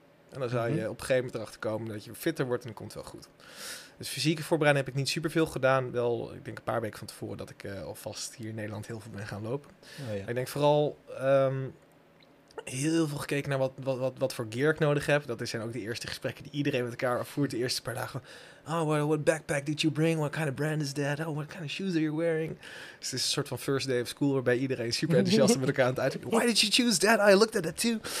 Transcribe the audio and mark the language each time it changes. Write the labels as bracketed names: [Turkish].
[Dutch] En dan zou je op een gegeven moment erachter komen dat je fitter wordt en dat komt wel goed. Dus fysieke voorbereiding heb ik niet superveel gedaan. Wel, ik denk een paar weken van tevoren dat ik alvast hier in Nederland heel veel ben gaan lopen. Oh ja. Ik denk vooral heel veel gekeken naar wat voor gear ik nodig heb. Dat zijn ook de eerste gesprekken die iedereen met elkaar voert. De eerste paar dagen. [English] Oh, what backpack did you bring? What kind of brand is that? Oh, what kind of shoes are you wearing? [Dutch] Dus het is een soort van [English] first day of school [Dutch] waarbij iedereen super enthousiast met elkaar aan het uitvinden. [English] Why did you choose that? I looked at that too.